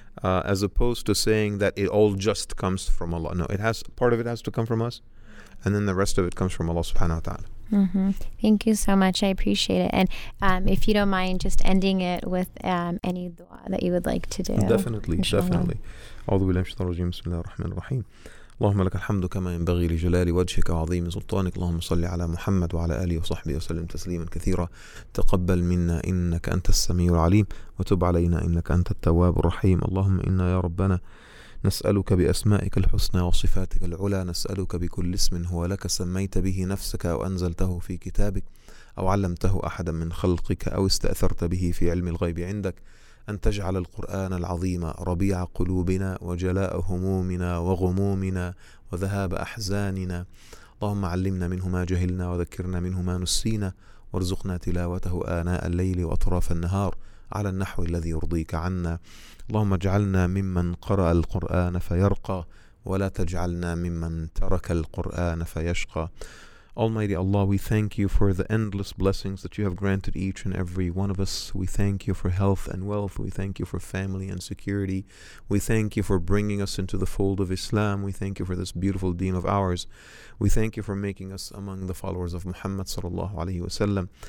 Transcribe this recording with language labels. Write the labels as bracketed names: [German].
[English] As opposed to saying that it all just comes from Allah. No, it has, part of it has to come from us, and then the rest of it comes from Allah subhanahu wa ta'ala. Thank you so much. I appreciate it. And if you don't mind just ending it with any dua that you would like to do. Definitely, definitely. [Arabic] أعوذ بالله من الشيطان الرجيم. بسم الله الرحمن الرحيم. اللهم لك الحمد كما ينبغي لجلال وجهك وعظيم سلطانك. اللهم صل على محمد وعلى آله وصحبه وسلم تسليما كثيرا. تقبل منا إنك أنت السميع العليم. وتب علينا إنك أنت التواب الرحيم. اللهم إنا يا ربنا نسألك بأسمائك الحسنى وصفاتك العلى نسألك بكل اسم هو لك سميت به نفسك أو أنزلته في كتابك أو علمته أحدا من خلقك أو استأثرت به في علم الغيب عندك أن تجعل القرآن العظيم ربيع قلوبنا وجلاء همومنا وغمومنا وذهاب أحزاننا اللهم علمنا منه ما جهلنا وذكرنا منه ما نسينا وارزقنا تلاوته آناء الليل وأطراف النهار على النحو الذي يرضيك عنا اللهم اجعلنا ممن قرأ القرآن فيرقى ولا تجعلنا ممن ترك القرآن فيشقى. [English] Almighty Allah, we thank you for the endless blessings that you have granted each and every one of us. We thank you for health and wealth. We thank you for family and security. We thank you for bringing us into the fold of Islam. We thank you for this beautiful deen of ours. We thank you for making us among the followers of Muhammad sallallahu alayhi wasallam.